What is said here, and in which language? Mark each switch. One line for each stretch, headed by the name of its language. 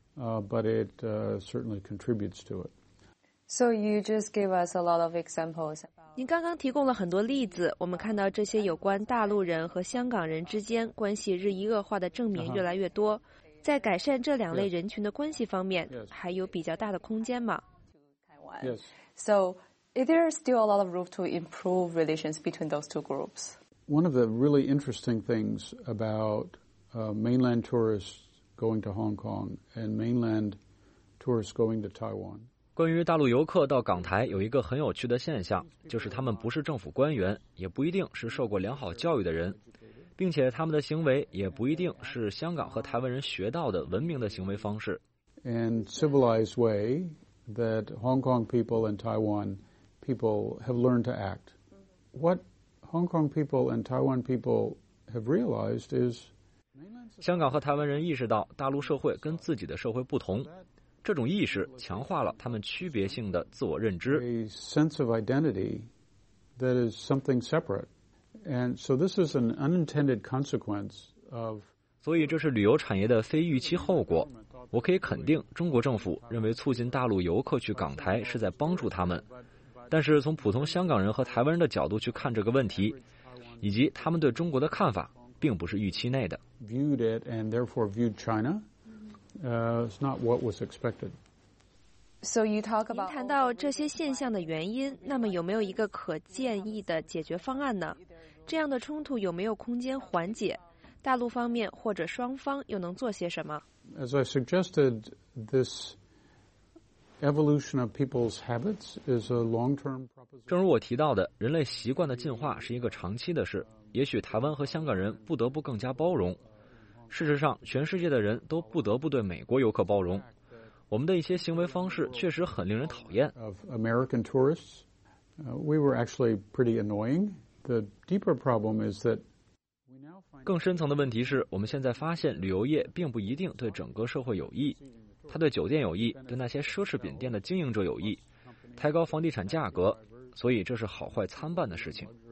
English: But it certainly contributes to it. So you just gave us a lot of examples.
Chinese: 您刚刚提供了很多例子，我们看到这些有关大陆人和香港人之间关系日益恶化的证明越来越多。在改善这两类人群的关系方面，还有比较大的空间吗？
English: Yes. So, is there still a lot of room to improve relations between those two groups? One of the really interesting things about mainland tourists going to Hong Kong and mainland tourists going to Taiwan.
Chinese: 关于大陆游客到港台有一个很有趣的现象，就是他们不是政府官员，也不一定是受过良好教育的人。并且他们的行为也不一定是香港和台湾人学到的文明的行为方式。
English: And civilized way that Hong Kong people and Taiwan people have learned to act. What Hong Kong people and Taiwan people have realized is
Chinese: 香港和台湾人意识到大陆社会跟自己的社会不同，这种意识强化了他们区别性的自我认知。
English: A sense of identity that is something separate. And so this is an unintended consequence of
Chinese: 所以这是旅游产业的非预期后果。我可以肯定中国政府认为促进大陆游客去港台是在帮助他们，但是从普通香港人和台湾人的角度去看这个问题，以及他们对中国的看法，并不是预期内的。
English: Viewed it and therefore viewed China, it's not what was expected. So you talk about.
Chinese: 您谈到这些现象的原因，那么有没有一个可建议的解决方案呢？这样的冲突有没有空间缓解？大陆方面或者双方又能做些什么？
English: As I suggested, this evolution of people's habits is a long-term proposition.
Chinese: 正如我提到的，人类习惯的进化是一个长期的事。也许台湾和香港人不得不更加包容。事实上，全世界的人都不得不对美国游客包容。我们的一些行为方式确实很令人讨厌。
English: Of American tourists, we were actually pretty annoying. The deeper problem is that
Chinese: 更深层的问题是，我们现在发现旅游业并不一定对整个社会有益，它对酒店有益，对那些奢侈品店的经营者有益，抬高房地产价格，所以这是好坏参半的事情。